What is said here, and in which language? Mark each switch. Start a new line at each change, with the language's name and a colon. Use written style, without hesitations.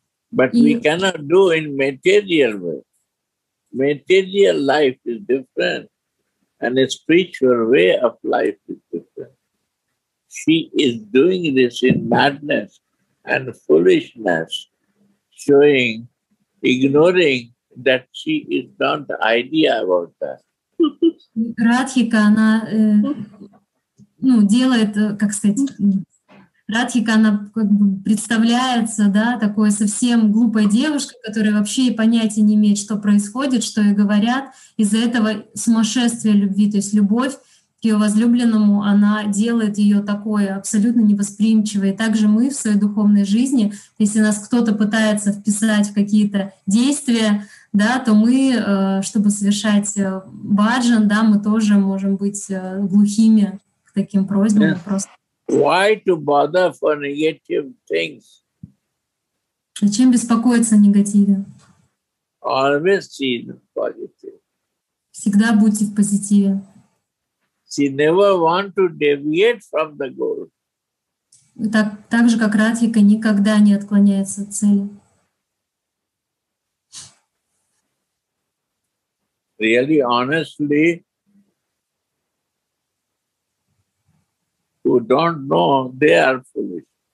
English: But we cannot do in material way. Material life is different, and a spiritual way of life is different. She is doing this in madness and foolishness, showing, ignoring that she is not the idea about that.
Russian: Радхика, она, ну, делает, как сказать, Радхика, она как бы представляется, да, такой совсем глупой девушкой, которая вообще и понятия не имеет, что происходит, что ей говорят. Из-за этого сумасшествия любви, то есть любовь к ее возлюбленному, она делает ее такое, абсолютно невосприимчивой. И также мы в своей духовной жизни, если нас кто-то пытается вписать в какие-то действия, да, то мы, чтобы совершать баджан, да, мы тоже можем быть глухими к таким просьбам. Просто.
English: Why to bother for negative things?
Russian: Зачем беспокоиться о негативе?
English: Always see the positive.
Russian: Всегда будьте в позитиве.
English: She never want to deviate from the goal.
Russian: Так, так же, как Радхика, никогда не отклоняется от цели.
English: Really, honestly, who don't know, they are foolish.